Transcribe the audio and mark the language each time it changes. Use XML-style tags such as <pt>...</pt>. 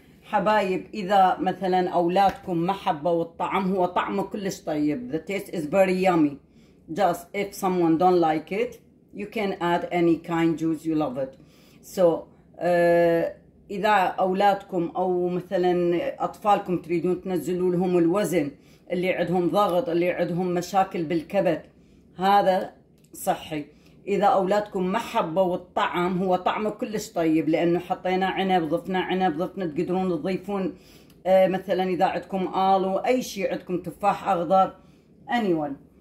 <ar>حبايب إذا مثلا أولادكم ما حبوا الطعم هو طعمه كلش طيب.</ar> <en>The taste is very yummy. Just if someone don't like it, you can add any kind of juice you love it.</en> <ar>So إذا أولادكم أو مثلا أطفالكم تريدون تنزلوا لهم الوزن اللي عندهم ضغط اللي عندهم مشاكل بالكبد هذا صحي. اذا اولادكم ما حبوا الطعم، هو طعمه كلش طيب لانه حطينا عنب، ضفنا عنب، ضفنا، تقدرون تضيفون مثلا اذا عندكم الو، اي شيء عندكم، تفاح اخضر،</ar> <en>anyone.</en>